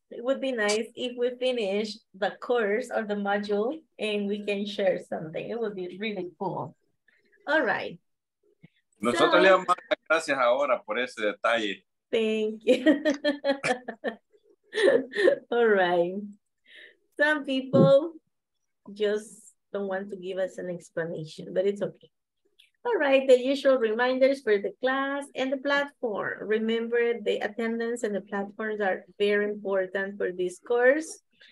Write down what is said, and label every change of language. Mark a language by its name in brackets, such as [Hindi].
[English] It would be nice if we finish the course or the module and we can share something. It would be really cool. All right. [Spanish] Nosotros le damos las gracias ahora por ese detalle. [English] Thank you. All right. Some people just don't want to give us an explanation, but it's okay. All right, the usual reminders for the class and the platform. Remember, the attendance and the platforms are very important for this course.